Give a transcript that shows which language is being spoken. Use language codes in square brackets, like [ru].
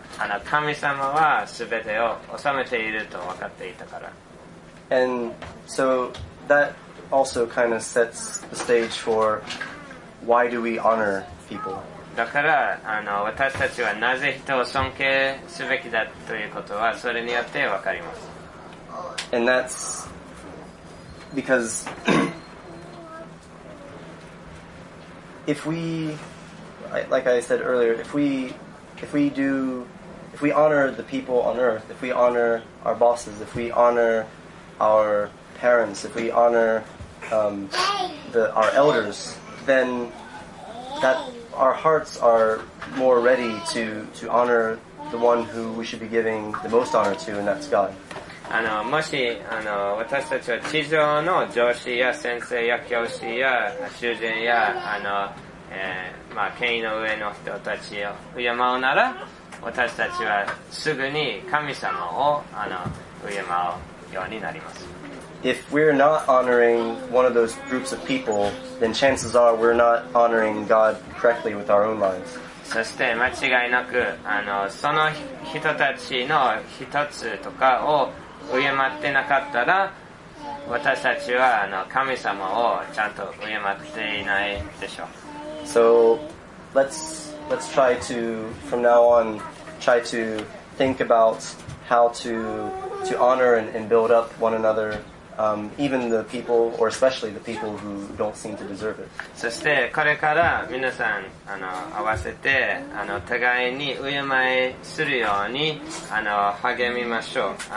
[ja] 神様は全てを治めていると分かっていたから。 [en] And so that also kind of sets the stage for why do we honor people. [ja] だから私たちはなぜ人を尊敬すべきだということはそれによって分かります。 [en] And that's becauseIf we, like I said earlier, if we honor the people on earth, if we honor our bosses, if we honor our parents, if we honor our elders, then that our hearts are more ready to honor the one who we should be giving the most honor to, and that's God. [ja] もし私たちは地上の上司や先生や教師や主人や権威の上の人たちを敬うなら、私たちはすぐに神様を敬うようになります。 [en] If we're not honoring one of those groups of people, then chances are we're not honoring God correctly with our own lives. [ja] そして間違いなくその人たちの一つとかを敬ってなかったら、私たちは神様をちゃんと敬っていないでしょう。 [en] So let's try to, from now on, try to think about how to honor and build up one another, even the people, or especially the people who don't seem to deserve it. [ja] そしてこれから皆さん合わせて互いに敬いするように励みましょう。